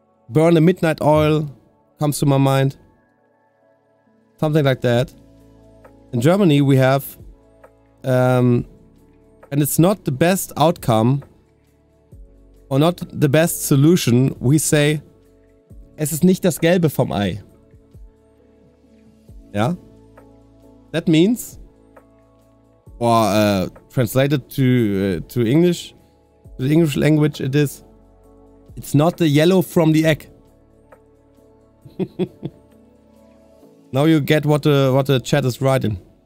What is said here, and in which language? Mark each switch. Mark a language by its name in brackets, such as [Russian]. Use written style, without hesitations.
[English] Burn the midnight oil comes to my mind. Something like that. In Germany we have and it's not the best outcome or not the best solution. We say [German] es ist nicht das Gelbe vom Ei. [English] Yeah? That means translated to English, the English language, it is. It's not the yellow from the egg. Now you get what the chat is writing.